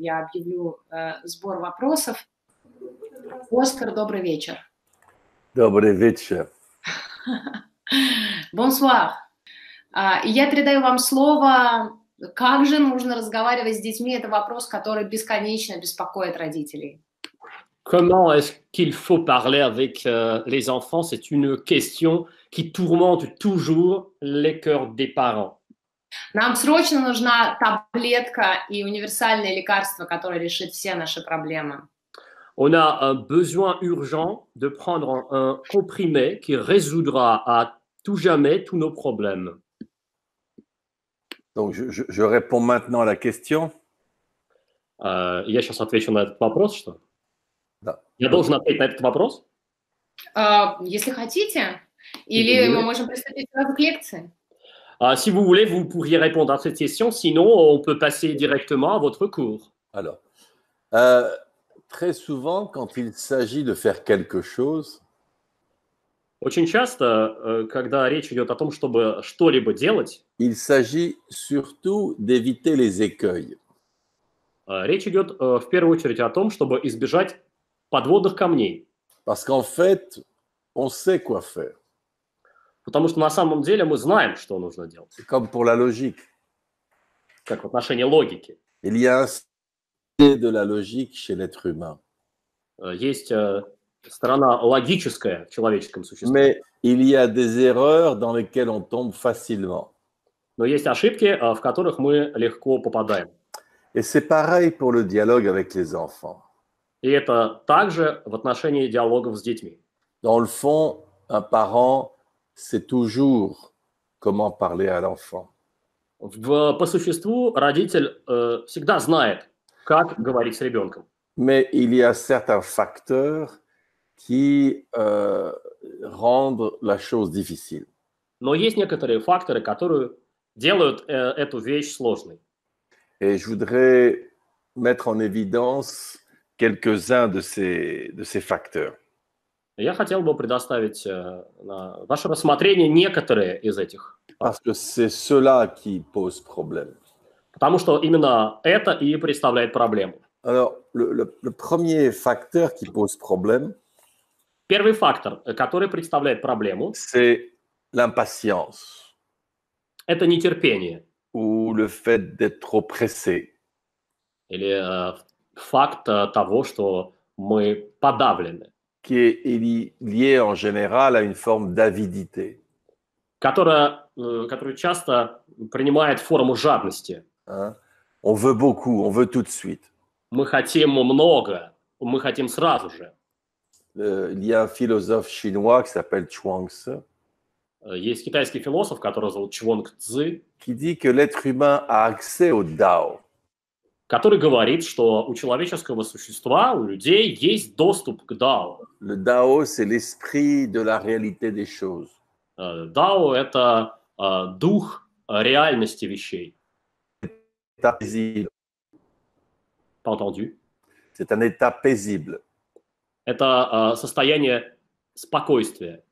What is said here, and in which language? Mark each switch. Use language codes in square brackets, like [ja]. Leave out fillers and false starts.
[ru] Я объявлю сбор вопросов. Оскар, добрый вечер. Добрый вечер. Бонсуар. Я передаю вам слово. Как же нужно разговаривать с детьми? Это вопрос, который бесконечно беспокоит родителей. [fr] Comment est-ce qu'il faut parler avec les enfants? C'est une question qui tourmente toujours les cœurs des parents. [ru] Нам срочно нужна таблетка и универсальное лекарство, которое решит все наши проблемы. [fr] On a un besoin urgent de prendre un comprimé qui résoudra à tout jamais tous nos problèmes. Donc, je réponds maintenant à la question. [ru] Я сейчас отвечу на этот вопрос, что? Да. Я должен ответить на этот вопрос? Если хотите, или мы можем приступить сразу к лекции. [fr] Si vous voulez, vous pourriez répondre à cette question, sinon on peut passer directement à votre cours. Alors, très souvent, quand il s'agit de faire quelque chose, [ru] очень часто, когда речь идет о том, чтобы что-либо делать, [fr] il s'agit surtout d'éviter les écueils. [ru] Речь идет в первую очередь о том, чтобы избежать подводных камней. [fr] Parce qu'en fait, on sait quoi faire. [ru] Потому что на самом деле мы знаем, что нужно делать. [fr] C'est comme pour la logique. [ru] Как в отношении логики. [fr] Il y a l'idée de la logique chez l'être humain. [ru] Есть сторона логическая в человеческом существе. [fr] Mais il y a des erreurs dans lesquelles on tombe facilement. [ru] Но есть ошибки, в которых мы легко попадаем. [fr] Et c'est pareil pour le dialogue avec les enfants. [ru] И это также в отношении диалогов с детьми. [fr] Dans le fond, un parent sait toujours comment parler à l'enfant. [ru] По существу родитель всегда знает, как говорить с ребенком. [fr] Mais il y a certains facteurs qui rendent la chose difficile. [ru] Но есть некоторые факторы, которые делают эту вещь сложной. [fr] Et je voudrais mettre en évidence quelques-uns de ces facteurs. [ru] Я хотел бы предоставить на ваше рассмотрение некоторые из этих. [fr] Parce que c'est cela qui pose problème. [ru] Потому что именно это и представляет проблему. [fr] Alors, le premier facteur qui pose problème, [ru] первый фактор, который представляет проблему, [fr] c'est l'impatience. [ru] Это нетерпение. [fr] Ou le fait d'être trop pressé. [ru] Или факт того, что мы подавлены. [fr] Qui est lié en général à une forme d'avidité. [ru] Которая часто принимает форму жадности. Hein? [fr] On veut beaucoup, on veut tout de suite. [ru] Мы хотим много, мы хотим сразу же. [fr] Il y a un philosophe chinois qui s'appelle Chuang Tzu. [ru] Есть китайский философ, которого зовут Чуанг Цзы. [fr] Qui dit que l'être humain a accès au Dao. [ru] Который говорит, что у человеческого существа, у людей есть доступ к Дао. [fr] Le Dao, c'est l'esprit de la réalité des choses. [ru] Дао – это дух реальности вещей. [fr] Pas entendu. C'est un état paisible. [ru] Это состояние спокойствия.